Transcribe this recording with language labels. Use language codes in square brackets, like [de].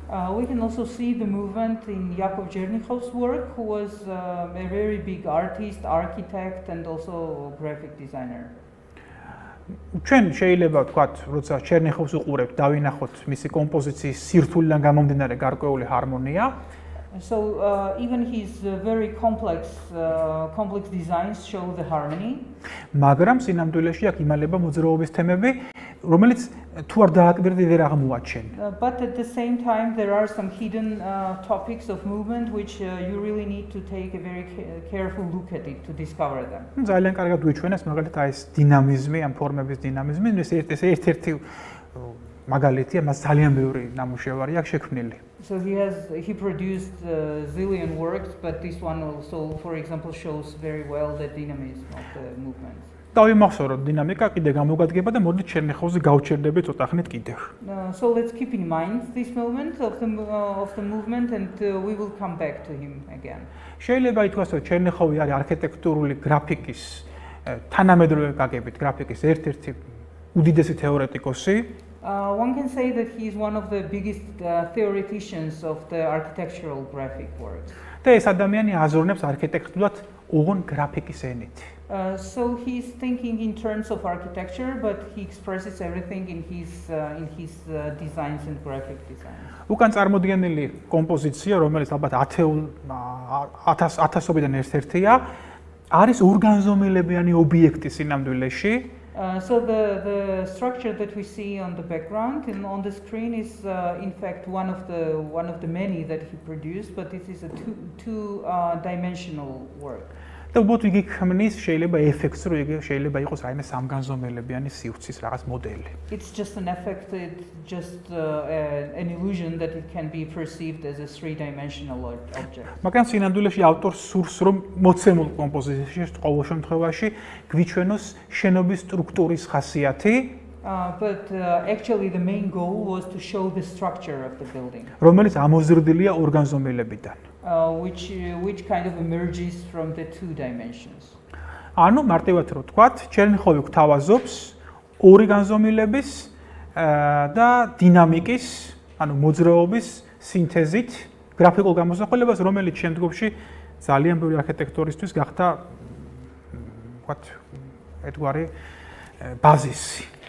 [en] We can also see the movement in Yakov Chernikov's work, who was a very big artist, architect and also graphic designer. [ka] ჩვენ შეიძლება ვთქვათ, როცა ჩერნიხოვს უყურებთ, დავინახოთ მისი კომპოზიციის სირთულიდან გამომდინარე გარკვეული ჰარმონია. [en] So even his very complex designs show the harmony. [ka] მაგრამ სინამდვილეში აქ იმალება მოძრაობის თემები, რომელიც თუ არ დააკვირდი ვერ აღმოაჩენ. [en] But at the same time there are some hidden topics of movement which you really need to take a very careful look at it to discover them. [ka] ძალიან კარგად გვიჩვენებს მაგალითად აი ეს დინამიზმი, ამ ფორმების დინამიზმი, ეს ერთ-ერთი მაგალითია, მას ძალიან ბევრი ნამუშევარი აქვს შექმნილი. [en] So he produced zillion works, but this one also, for example, shows very well the dynamism of the movements. [ka] დავიმახსოვროთ, დინამიკა კიდე გამოგადგება და მოდით ჩერნიხოვზე გავჩერდები ცოტა ხნით კიდევ. [en] So let's keep in mind this moment of the movement and we will come back to him again. [ka] შეიძლება ითქვას, რომ ჩერნიხოვი არის არქიტექტურული გრაფიკის თანამედროვე გაგებით, გრაფიკის ერთ-ერთი უდიდესი თეორეტიკოსი. [en] One can say that he is one of the biggest theoreticians of the architectural graphic work. [ka] Და ეს ადამიანი აზროვნებს არქიტექტურად ოღონ გრაფიკის ენით. [en] So he's thinking in terms of architecture, but he expresses everything in his designs and graphic designs. [ka] უკან წარმოდგენილი კომპოზიცია, რომელიც ალბათ 1000-ობიდან ერთ-ერთია, არის ორგანზომილებიანი ობიექტი სინამდვილეში. [en] So the structure that we see on the background and on the screen is in fact one of the many that he produced, but this is a two-dimensional work. [ka] და უბრალოდ იგი ქმნის შეიძლება ეფექტს, რომ იგი შეიძლება იყოს რაიმე სამგანზომილებიანი სივრცის რაღაც მოდელი. [en] It's just an effect, it's just an illusion that it can be perceived as a three-dimensional object. [ka] მაგრამ სინამდვილეში ავტორს სურს, რომ მოცემულ კომპოზიციაში, ყოველ შემთხვევაში, გვიჩვენოს შენობის სტრუქტურის ხასიათი. [en] Actually the main goal was to show the structure of the building. [ka] რომელიც ამოზრდილია ორგანზომილებიდან. [en] Which kind of emerges from the two dimensions. [ka] Ანუ მარტივად რო ვთქვათ, ჩვენ ხო ვიქთავაზობს ორი განზომილების და დინამიკის, ანუ მოძრაობის სინთეზით გრაფიკულ გამოსახულებას, რომელიც შემდგომში ძალიან ბევრი არქიტექტორისთვის გახდა ვთქვათ ეგვარი ბაზისი.